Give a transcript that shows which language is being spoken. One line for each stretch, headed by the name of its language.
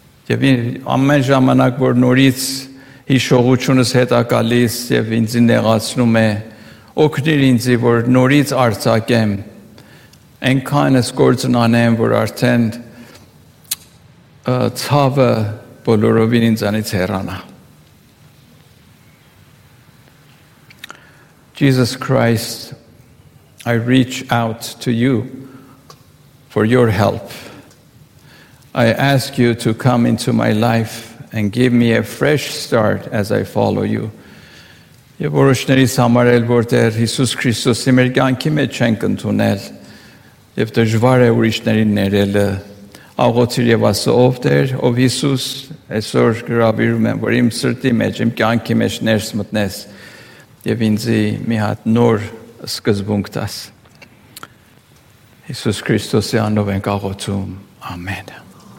Armenian: Եվ ամեն ժամանակ, որ նորից հիշողությունս հետ է գալիս եւ ինձ նեղացնում է, օգնիր ինձ, որ նորից արձակեմ, այնքան ես կործանեմ, որ արդեն ցավը բոլորովին ինձանից հեռանա.
English: Jesus Christ, I reach out to you for your help. I ask you to come into my life and give me a fresh start as I follow you.
Armenian: Եվ որոշներից համար էլ, որտեղ Հիսուս Քրիստոսի մեր կյանքի մեջ ենք ընդունել, եւ դժվար է ուրիշներին ներելը, աղոթիր եւ ասա, ով Տեր, ով Հիսուս, այսօր գրավիրում եմ, որ իմ սրտի մեջ, իմ կյանքի մեջ ներս մտնես եւ ինձ մի հատ նոր սկզբունք տաս։ Հիսուս Քրիստոսի անունով ենք աղոթում, ամեն։